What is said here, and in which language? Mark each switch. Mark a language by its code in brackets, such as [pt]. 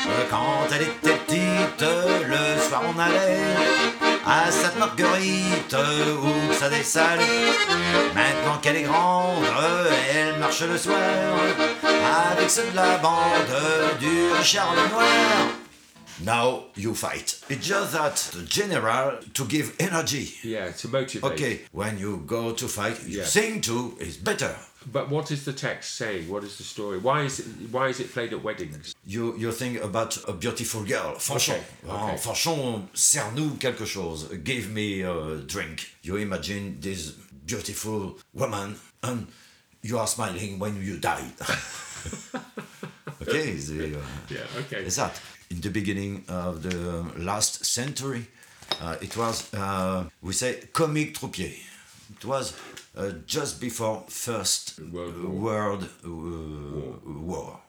[fr] Quand elle était petite, le soir on allait à cette Marguerite, où ça dessale. Maintenant qu'elle est grande, elle marche le soir avec ceux de la bande du Richard Lenoir. [en] Now you fight. It's just that the general to give energy. Yeah, to motivate. Okay, when you go to fight, you sing too, it's better. But what is the text saying? What is the story? Why is it played at weddings? You think about a beautiful girl, Fanchon. Okay. [fr] Fanchon, sers-nous quelque chose. [en] Give me a drink. You imagine this beautiful woman and you are smiling when you die. Okay. Okay. Is that in the beginning of the last century? It was, we say, [fr] comique troupier. [en] It was just before First World War.